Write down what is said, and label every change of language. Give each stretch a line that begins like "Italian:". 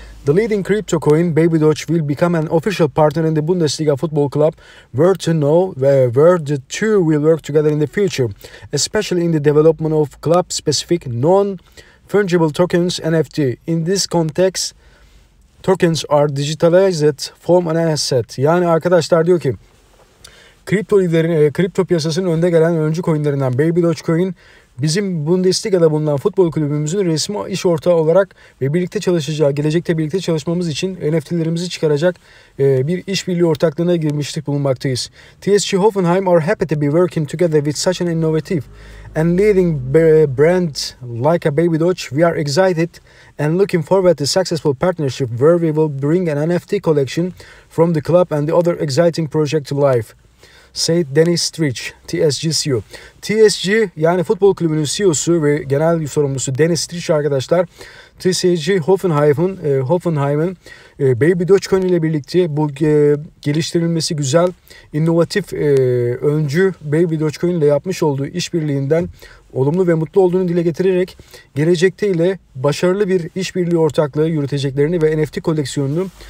English: The leading crypto coin Baby Doge will become an official partner in the Bundesliga football club, where to know where the two will work together in the future, especially in the development of club-specific non-fungible tokens NFT. In this context, tokens are digitalized form an asset.
Turkish: Yani arkadaşlar diyor ki, kripto piyasasının önde gelen öncü coinlerinden Baby Dogecoin, bizim Bundesliga'da bulunan futbol kulübümüzün resmi iş ortağı olarak ve birlikte çalışacağı, gelecekte birlikte çalışmamız için NFT'lerimizi çıkaracak bir işbirliği ortaklığına girmiştik bulunmaktayız.
English: TSG Hoffenheim are happy to be working together with such an innovative and leading brand like a Baby Doge. We are excited and looking forward to successful partnership where we will bring an NFT collection from the club and the other exciting project to life. Said Dennis Strich, TSG CEO.
Turkish: TSG, yani futbol kulübünün CEO'su ve genel sorumlusu Dennis Strich arkadaşlar, TSG Hoffenheim'in Baby Dogecoin ile birlikte bu geliştirilmesi güzel, innovatif öncü Baby Dogecoin ile yapmış olduğu işbirliğinden olumlu ve mutlu olduğunu dile getirerek gelecekte ile başarılı bir işbirliği ortaklığı yürüteceklerini ve NFT koleksiyonunu